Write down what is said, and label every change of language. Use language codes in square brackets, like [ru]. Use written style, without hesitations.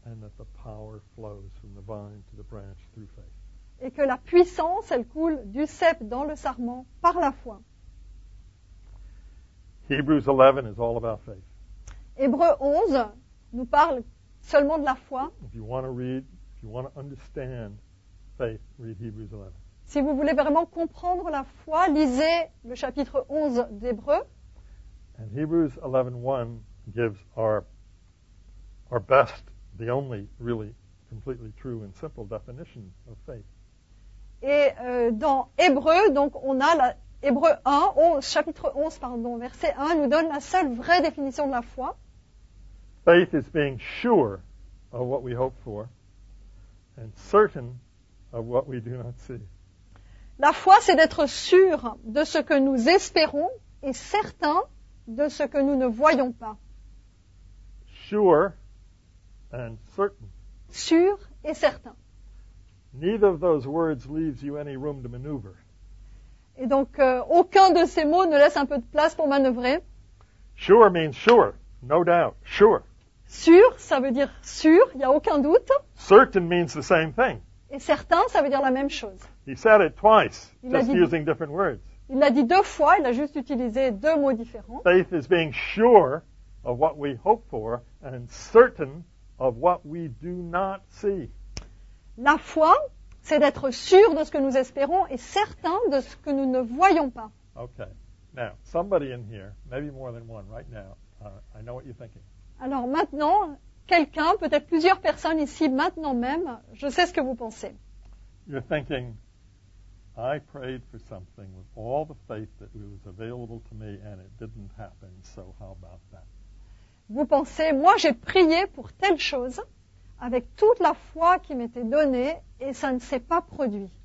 [en] And that the power flows from the vine to the branch through faith. [fr] Et que la puissance, elle coule du cèpe dans le sarment par la foi. [en] Hebrews 11 is all about faith. [fr] Hébreux 11 nous parle seulement de la foi. [en] If you want to read, if you want to understand faith, read Hebrews 11. [fr] Si vous voulez vraiment comprendre la foi, lisez le chapitre 11 d'Hébreux. [en] And Hebrews 11:1 gives our best, the only really completely true and simple definition of faith. [fr] Et dans Hébreux, donc on a la Hébreux 1, chapitre 11, pardon, verset 1, nous donne la seule vraie définition de la foi. [en] Faith is being sure of what we hope for and certain of what we do not see. [fr] La foi, c'est d'être sûr de ce que nous espérons et certain de ce que nous ne voyons pas. [en] Sure and certain. [fr] Sûr et certain. [en] Neither of those words leaves you any room to maneuver. [fr] Et donc, aucun de ces mots ne laisse un peu de place pour manœuvrer. [en] Sure means sure, no doubt, sure. [fr] Sûr, ça veut dire sûr, il n'y a aucun doute. [en] Certain means the same thing. [fr] Et certain, ça veut dire la même chose. [en] He said it twice, il just using different words. [fr] Il l'a dit deux fois, il a juste utilisé deux mots différents. [en] Faith is being sure of what we hope for and certain of what we do not see. [fr] La foi, c'est d'être sûr de ce que nous espérons et certain de ce que nous ne voyons pas. [en] Okay. Now, somebody in here, maybe more than one right now, I know what you're thinking. [fr] Alors maintenant, quelqu'un, peut-être plusieurs personnes ici maintenant même, je sais ce que vous pensez. [en] You're thinking, I prayed for something with all the faith that was available to me and it didn't happen, so how about that? [fr] Vous pensez, moi j'ai prié pour telle chose avec toute la foi qui m'était donnée et ça ne s'est pas produit.